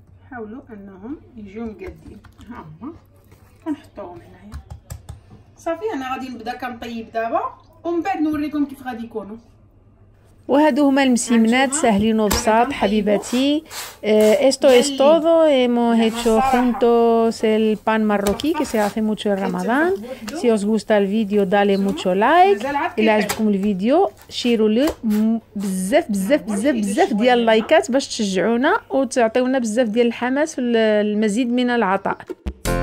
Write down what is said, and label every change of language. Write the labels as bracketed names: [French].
[Arabic] حاولوا انهم يجيو مقادين. ها هما كنحطوهم هنايا. صافي انا غادي نبدا كنطيب دابا ومن بعد نوريكم كيف غادي يكونوا. وهادو هما المسيمنات ساهلين وبساط حبيباتي. [Spanish] esto es todo. Hemos hecho juntos el pan marroquí que se hace mucho en Ramadán. Si os gusta el video, dale mucho like. [Arabic] إلا عجبكم الفيديو شيروا لي بزاف بزاف بزاف بزاف ديال اللايكات باش تشجعونا وتعطيونا بزاف ديال الحماس والمزيد من العطاء.